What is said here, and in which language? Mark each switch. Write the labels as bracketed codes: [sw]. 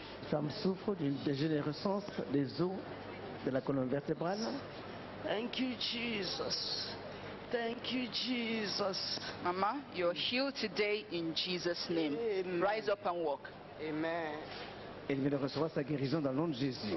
[fr] Femme souffre d'une dégénérescence des os de la colonne vertébrale. [en] Thank you, Jesus. Thank you, Jesus. Mama, you are healed today in Jesus' name. Amen. Rise up and walk. Amen. [fr] Elle vient de recevoir sa guérison dans le nom de Jésus.